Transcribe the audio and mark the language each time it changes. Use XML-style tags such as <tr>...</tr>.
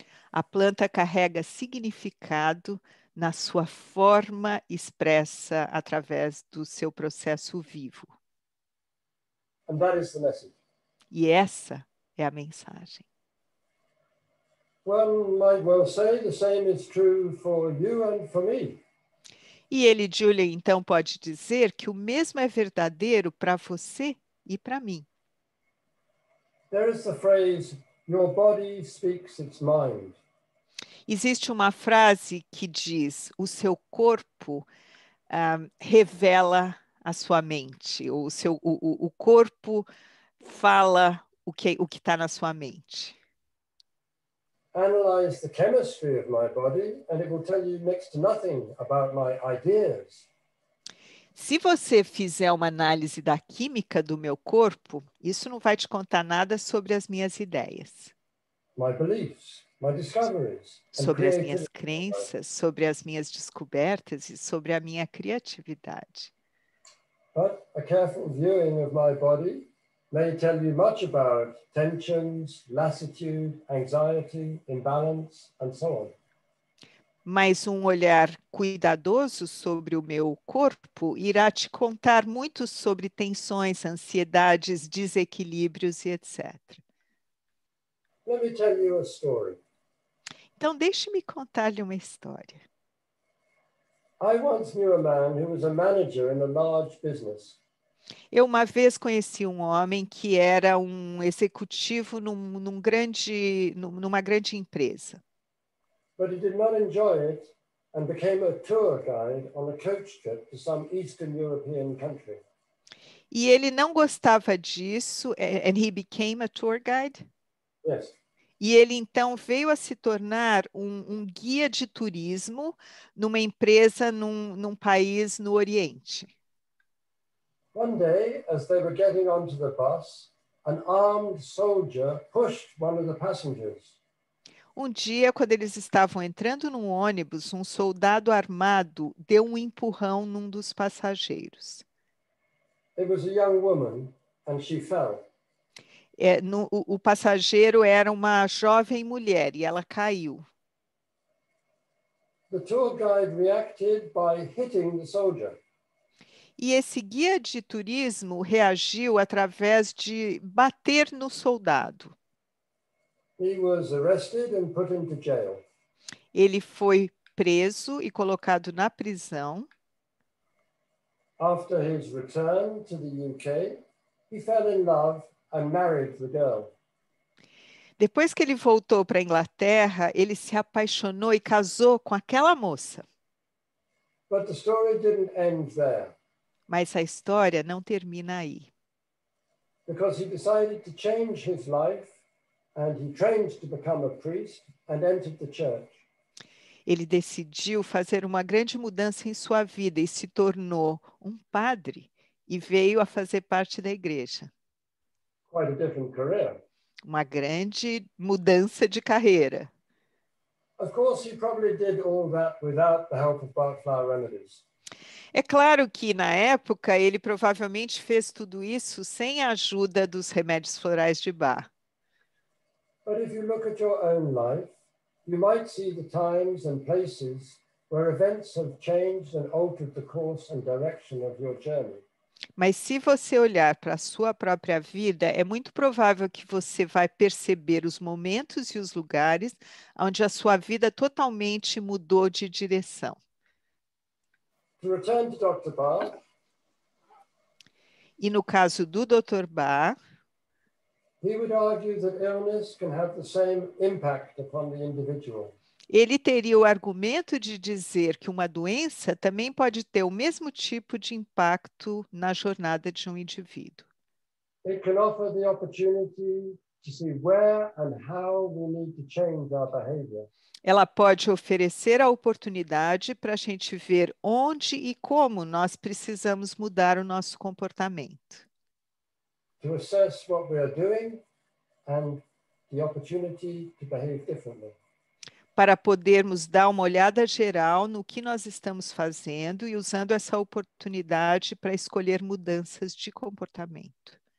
<pt>A planta carrega significado na sua forma expressa através do seu processo vivo.</pt> <en>And that is the message.</en> <pt>E essa é a mensagem.</pt> <en>One might well say the same is true for you and for me.</en> <pt>E ele, Julia, então pode dizer que o mesmo é verdadeiro para você e para mim.</pt> <en>There is the phrase, your body speaks its mind.</en> <pt>Existe uma frase que diz, o seu corpo revela a sua mente, ou o corpo fala o que está na sua mente.</pt> <en>Analyze the chemistry of my body and it will tell you next to nothing about my ideas.</en> <pt>Se você fizer uma análise da química do meu corpo, isso não vai te contar nada sobre as minhas ideias.</pt> <en>My beliefs, my discoveries.</en> <pt>Sobre as minhas crenças, sobre as minhas descobertas e sobre a minha criatividade.</pt> <en>But a careful viewing of my body may tell you much about tensions, lassitude, anxiety, imbalance, and so on.</en> <pt>Mas um olhar cuidadoso sobre o meu corpo irá te contar muito sobre tensões, ansiedades, desequilíbrios e etc.</pt> <en>Let me tell you a story.</en> <pt>Então, deixe-me contar-lhe uma história.</pt> <en>I once knew a man who was a manager in a large business.</en> <pt>Eu uma vez conheci um homem que era um executivo numa grande empresa.</pt> <en>But he did not enjoy it and became a tour guide on a coach trip to some Eastern European country.</en> <pt>E ele não gostava disso,</pt> <en>and he became a tour guide? Yes.</en> <pt>E ele então veio a se tornar um guia de turismo numa empresa num país no Oriente.</pt> <en>One day, as they were getting onto the bus, an armed soldier pushed one of the passengers.</en> <pt>Um dia, quando eles estavam entrando num ônibus, um soldado armado deu um empurrão num dos passageiros.</pt> <en>It was a young woman, and she fell.</en> <pt>O passageiro era uma jovem mulher e ela caiu.</pt> <en>The tour guide reacted by hitting the soldier.</en> <pt>E esse guia de turismo reagiu através de bater no soldado.</pt> <en>He was arrested and put into jail.</en> <pt>Ele foi preso e colocado na prisão.</pt> <en>After his return to the UK, he fell in love and married the girl.</en> <pt>Depois que ele voltou para a Inglaterra, ele se apaixonou e casou com aquela moça.</pt> <en>But the story didn't end there.</en> <pt>Mas a história não termina aí.</pt> <en>Because he decided to change his life and he trained to become a priest and entered the church.</en> <pt>Ele decidiu fazer uma grande mudança em sua vida e se tornou um padre e veio a fazer parte da igreja.</pt> <en>Quite a different career.</en> <pt>Uma grande mudança de carreira.</pt> <en>Of course, he probably did all that without the help of Barclay Remedies.</en> <pt>É claro que, na época, ele provavelmente fez tudo isso sem a ajuda dos remédios florais de Bach.</pt> <en>But if you look at your own life, you might see the times and places where events have changed and altered the course and direction of your journey.</en> <pt>Mas se você olhar para a sua própria vida, é muito provável que você vai perceber os momentos e os lugares onde a sua vida totalmente mudou de direção.</pt> <en>To return to Dr. Bach.</en> <pt>E no caso do Dr. Bach,</pt> <en>he would argue that illness can have the same impact upon the individual.</en> <pt>Ele teria o argumento de dizer que uma doença também pode ter o mesmo tipo de impacto na jornada de um indivíduo.</pt> <en>It can offer the opportunity to see where and how we need to change our behavior.</en> <pt>Ela pode oferecer a oportunidade para a gente ver onde e como nós precisamos mudar o nosso comportamento.</pt> <en>To assess what we are doing and the opportunity to behave differently.</en> <pt>Para podermos dar uma olhada geral no que nós estamos fazendo e usando essa oportunidade para escolher mudanças de comportamento.</pt>